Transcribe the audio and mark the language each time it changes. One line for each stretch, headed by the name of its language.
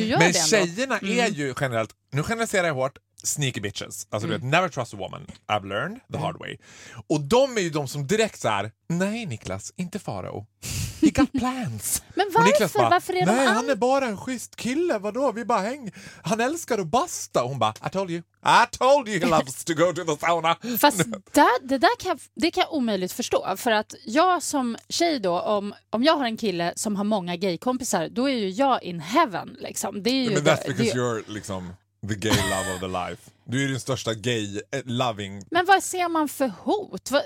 Swedish: Men tjejerna är ju generellt... Nu generaliserar jag hårt.
English: Sneaky bitches.
Swedish: Alltså du vet,
English: never trust a woman. I've learned the hard way.
Swedish: Och de är ju de som direkt så här, nej Niklas, inte Faro.
English: He got plans.
Swedish: Men varför? Bara, varför är de nej, han är bara en schysst kille. Vadå? Vi bara häng. Han älskar att basta. Och hon bara,
English: I told you he loves to go to the sauna.
Swedish: Fast det kan jag omöjligt förstå. För att jag som tjej då, om jag har en kille som har många gaykompisar, då är ju jag
English: in heaven.
Swedish: Liksom. Det är ju
English: men that's because you're liksom... The gay love of the life.
Swedish: Du är den största gay-loving. Men vad ser man för hot?